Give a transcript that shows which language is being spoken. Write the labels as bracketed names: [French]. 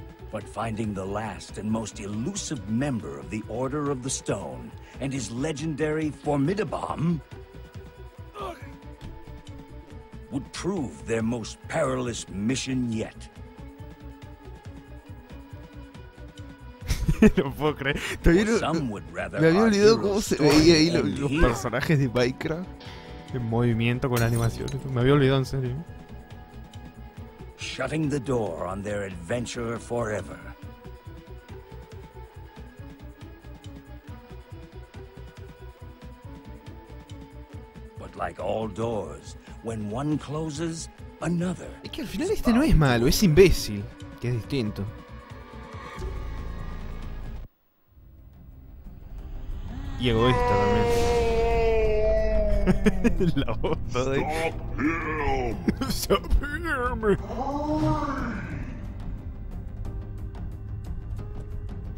[English] But finding the last and most elusive member of the Order of the Stone and his legendary Formidabomb would prove their most perilous mission yet. [Spanish] No puedo creer. También, me había olvidado cómo se veía ahí los personajes de Minecraft en movimiento con la animación. Me había olvidado, en serio. [English] Shutting the door on their adventure forever. But like all doors, when one closes, another. [Spanish] Es que al final este no es malo, es imbécil, que es distinto. Y egoísta también. La voz de... [English] ¡Stop him! ¡Stop him!